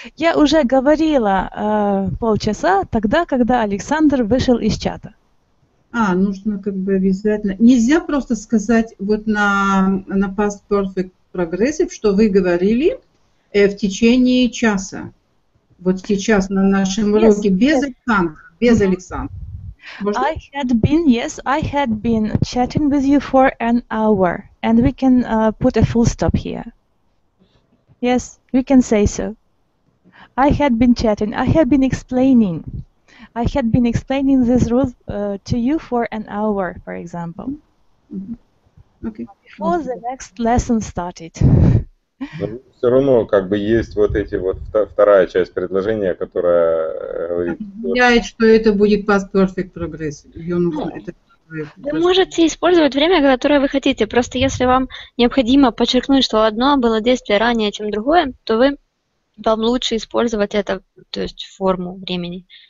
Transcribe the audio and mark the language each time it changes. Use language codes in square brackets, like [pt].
[ru] Я уже говорила полчаса тогда, когда Александр вышел из чата. А, нужно как бы обязательно. Нельзя просто сказать вот на past perfect progressive, что вы говорили в течение часа. Вот сейчас на нашем уроке без Александра. Без Александра. Можно? [en] I had been chatting with you for an hour. And we can put a full stop here. Yes, we can say so. I had been chatting. I had been explaining. I had been explaining this rule to you for an hour, for example. Mm-hmm. Okay. Before the next lesson started. [ru] Но все равно как бы есть вот эти вот вторая часть предложения, которая говорит. Объясняет, что это будет past perfect progressive. Вы можете использовать время, которое вы хотите. Просто если вам необходимо подчеркнуть, что одно было действие ранее, чем другое, то вам лучше использовать это, то есть форму времени.